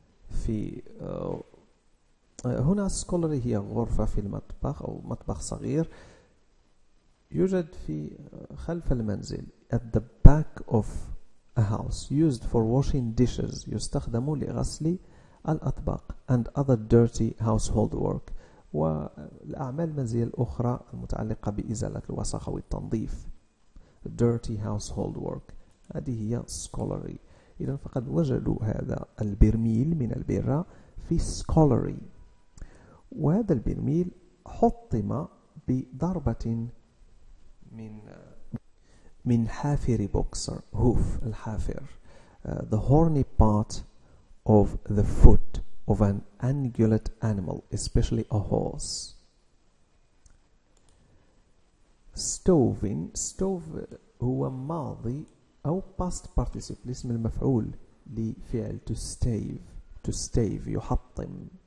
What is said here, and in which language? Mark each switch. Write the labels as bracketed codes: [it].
[ar] في هنا سكولري هي غرفة في المطبخ أو مطبخ صغير يوجد في خلف المنزل. [en] At the back of a house used for washing dishes. [ar] يستخدم لغسل الأطباق. [en] And other dirty household work. [ar] والأعمال المنزلية الأخرى المتعلقة بإزالة الوسخ والتنظيف. [en] Dirty household work. [ar] هذه هي سكولري. إذن فقد وجدوا هذا البرميل من البرة في سكولري. وهذا البرميل حطم بضربة من حافر بوكسر. هوف الحافر. [en] The horny part of the foot of an ungulate animal, especially a horse. [ar] Stove هو ماضي أو [en] past participle [ar] اسم المفعول لفعل [en] to stave [ar] يحطم.